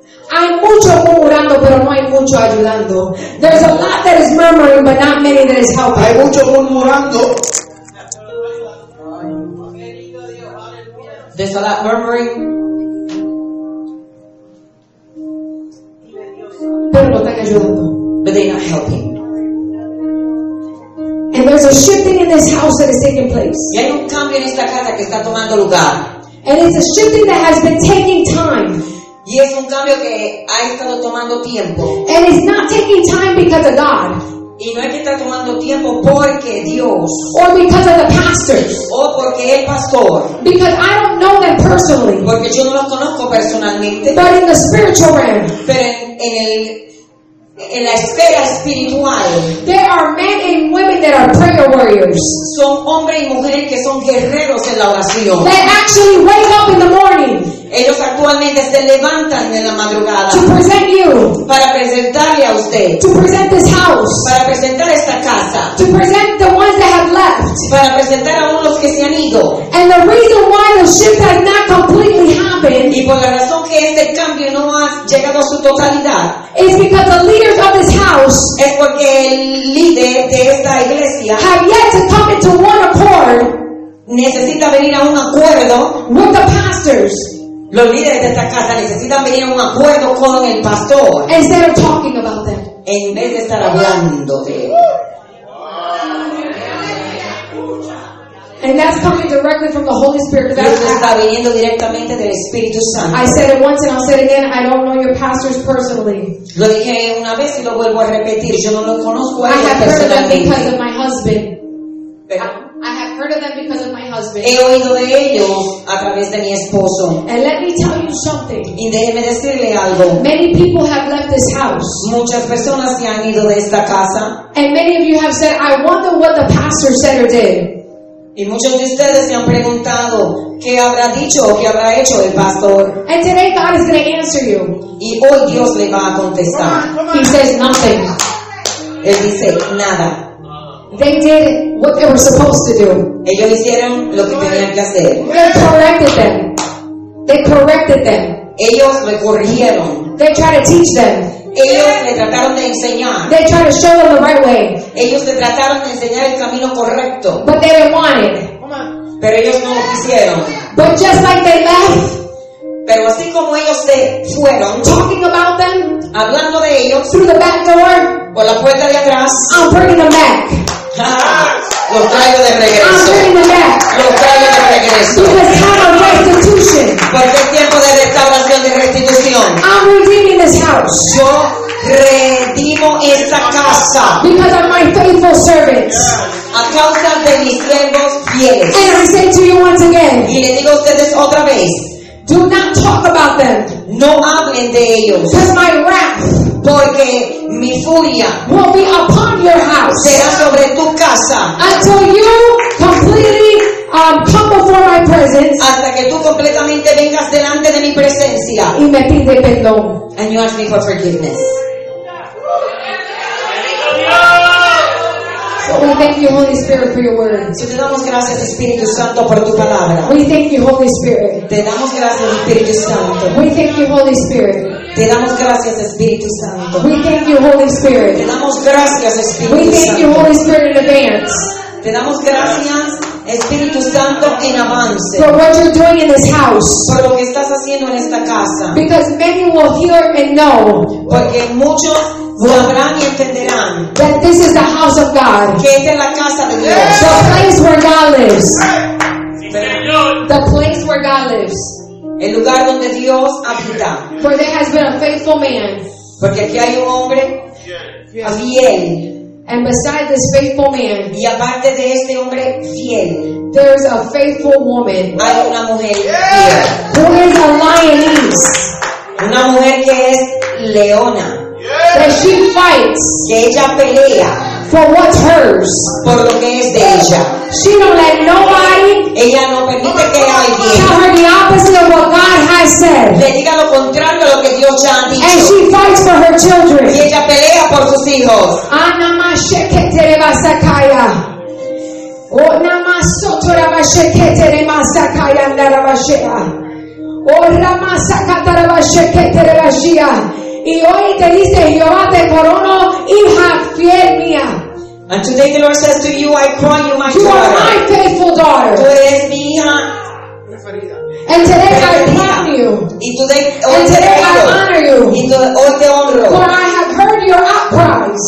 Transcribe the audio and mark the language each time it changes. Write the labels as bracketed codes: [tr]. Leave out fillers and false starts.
[es] Hay mucho murmurando, pero no hay mucho ayudando. [en] There's a lot that is murmuring, but not many that is helping. [es] Hay mucho murmurando. [en] There's a lot murmuring. [es] Pero no están ayudando. [en] But they're not helping. And there's a shifting in this house that is taking place. [es] Y hay un cambio en esta casa que está tomando lugar. [en] And it's a shifting that has been taking time. [es] Y es un cambio que ha estado tomando tiempo. [en] And it's not taking time because of God. [es] Y no es que está tomando tiempo porque Dios. [en] Or because of the pastors. [es] O porque el pastor. [en] Because I don't know them personally. [es] Porque yo no los conozco personalmente. [en] But in the spiritual realm. [es] Pero en el en la esfera espiritual. [en] There are men and women that are prayer warriors. [es] Son hombres y mujeres que son guerreros en la oración. [en] They actually wake up in the morning. [es] Ellos actualmente se levantan en la madrugada [en] to present you, [es] para presentarle a usted [en] to present this house, [es] para presentar esta casa [en] to present the ones that have left, [es] para presentar a unos que se han ido [en] and the reason why the shift has not completely happened, [es] y por la razón que este cambio no ha llegado a su totalidad [en] is because the leaders of this house, [es] es porque el líder de esta iglesia [en] have yet to come into one accord, [es] necesita venir a un acuerdo [en] with the pastors, [es] los líderes de esta casa necesitan venir a un acuerdo con el pastor [en] instead of talking about them, [es] en vez de estar hablando de él. [en] And that's coming directly from the Holy Spirit. [es] Está viniendo directamente del Espíritu Santo. [en] I said it once and I'll say it again. I don't know your pastors personally. [es] Lo dije una vez y lo vuelvo a repetir. Yo no lo conozco a ellos personalmente. [en] I have heard of them because of my husband. I have heard of them because of my husband. [es] He oído de ellos a través de mi esposo. [en] And let me tell you something. [es] Y déjeme decirle algo. [en] Many people have left this house. [es] Muchas personas se han ido de esta casa. [en] And many of you have said, I wonder what the pastor said or did. [es] Y muchos de ustedes se han preguntado qué habrá dicho o qué habrá hecho el pastor. [en] And today God is going to answer you. [es] Y hoy Dios le va a contestar. [en] He says nothing. [es] Él dice nada. [en] They did what they were supposed to do. [es] Ellos hicieron lo que tenían que hacer. [en] They corrected them. They corrected them. [es] Ellos le corrigieron. [en] They tried to teach them. [es] Ellos le trataron de enseñar. [en] They tried to show them the right way. [es] Ellos le trataron de enseñar el camino correcto. [en] But they didn't want it. [es] Pero ellos no lo quisieron. [en] But just like they left. [es] Pero así como ellos se fueron. [en] Talking about them. [es] Hablando de ellos. [en] Through the back door. [es] Por la puerta de atrás. [en] I'm bringing them back. [es] Los traigo de regreso. [en] I'm bringing them back. [es] Los traigo de regreso. [en] Because time of restitution. [es] Porque es tiempo de restauración y restitución. [en] I'm redeeming this house. [es] Yo redimo esta casa. [en] Because of my faithful servants. [es] A causa de mis siervos fieles. [en] And I say to you once again. [es] Y le digo a ustedes otra vez. [en] Do not talk about them. [es] No hablen de ellos. [en] Because my wrath. [es] Porque mi furia [en] will be upon your house. [es] Será sobre tu casa. [en] Until you completely come before my presence. [es] Hasta que tú completamente vengas delante de mi presencia. Y me pide perdón. [en] And you ask me for forgiveness. We thank you, Holy Spirit, for your word. [es] So te damos gracias, Espíritu Santo, por tu palabra. [en] We thank you, Holy Spirit. [es] Te damos gracias, Espíritu Santo. [en] We thank you, Holy Spirit. [es] Te damos gracias, Espíritu Santo. [en] We thank you, Holy Spirit. [es] Te damos gracias, Espíritu Santo. [en] We thank you, Holy Spirit, in advance. [es] Te damos gracias, Espíritu Santo, en avance. [en] For what you're doing in this house. [es] Por lo que estás haciendo en esta casa. [en] Because many will hear and know. [es] Porque muchos sabrán y entenderán. [en] That this is the house of God. [es] Que esta es la casa de Dios. [en] The place where God lives. [es] Pero, [en] the place where God lives. [es] El lugar donde Dios habita. [en] For there has been a faithful man. [es] Porque aquí hay un hombre. [en] Yes. [es] Fiel. [en] And beside this faithful man, [es] y aparte de este hombre fiel, [en] there's a faithful woman. [es] Hay una mujer fiel. [en] Yes. Who is a lioness. [es] Una mujer que es leona. [en] Yes. That she fights. [es] Que ella pelea. [en] For what's hers. [es] Por lo que es de ella. [en] She don't let nobody. [es] Ella no permite que alguien. [en] Tell her the opposite of what God has said. [es] Le diga lo contrario a lo que Dios ya ha dicho. [en] And she fights for her children. [es] Y ella pelea por sus hijos. Ana mashekete basakaya. O namasoto rabashekete masakaya narabasheba. O ramasakata rabashekete rabashia. Y hoy te dice Jehová te corono hija fiel mía. [en] And today the Lord says to you, I crown you my you daughter. You are my faithful daughter. [es] Tú eres mi hija. [en] And today preferida. I crown you. Y today, and today I honor you. [es] Y hoy te honro. [en] For I have heard your outcries.